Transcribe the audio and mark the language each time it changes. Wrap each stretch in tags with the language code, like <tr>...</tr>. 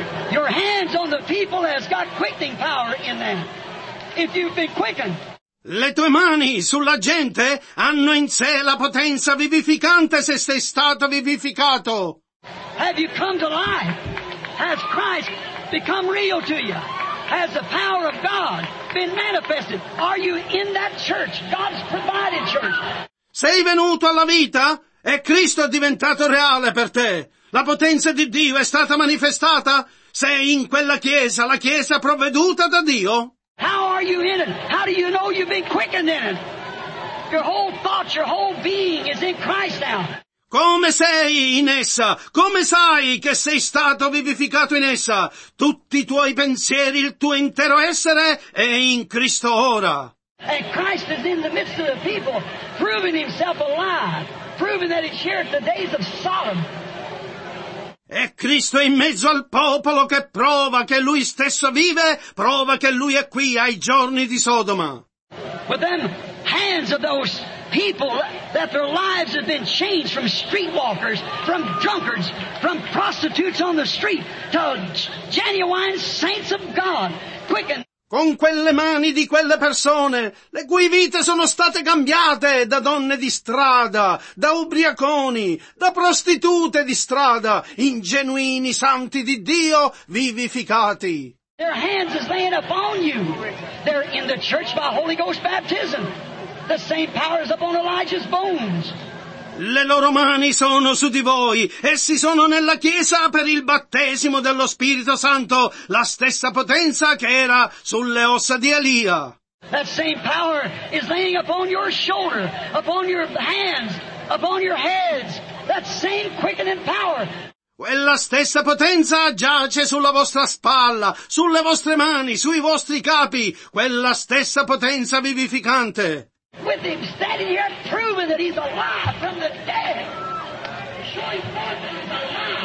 <en>Your hands on the people has got quickening power in them. If you've been quickened.</en> <it>Le tue mani sulla gente hanno in sé la potenza vivificante se sei stato vivificato.</it> <en>Have you come to life? Has Christ become real to you? Has the power of God been manifested? Are you in that church? God's provided church.</en> <it>Sei venuto alla vita? E Cristo è diventato reale per te? La potenza di Dio è stata manifestata? Sei in quella chiesa, la chiesa provveduta da Dio?</it> <en>How are you in it? How do you know you've been quickened in it? Your whole thought, your whole being is in Christ now.</en> <it>Come sei in essa? Come sai che sei stato vivificato in essa? Tutti i tuoi pensieri, il tuo intero essere è in Cristo ora.</it> <en>And Christ is in the midst of the people, proving himself alive, proving that he's here at the days of Sodom.</en> <it>E Cristo è in mezzo al popolo che prova che Lui stesso vive, prova che Lui è qui ai giorni di Sodoma.</it> <en>With them hands of those people that their lives have been changed from streetwalkers, from drunkards, from prostitutes on the street, to genuine saints of God, quickened.</en> <it>Con quelle mani di quelle persone, le cui vite sono state cambiate da donne di strada, da ubriaconi, da prostitute di strada, in genuini santi di Dio vivificati.</it> <en>Their hands is laying upon you. They're in the church by Holy Ghost baptism. The same power is upon Elijah's bones.</en> <it>Le loro mani sono su di voi, essi sono nella chiesa per il battesimo dello Spirito Santo, la stessa potenza che era sulle ossa di Elia.</it> <en>That same power is laying upon your shoulder, upon your hands, upon your heads. That same quickening power.</en> <it>Quella stessa potenza giace sulla vostra spalla, sulle vostre mani, sui vostri capi, quella stessa potenza vivificante.</it> <en>With him standing here proving that he's alive from the dead. Showing forth that he's alive.</en>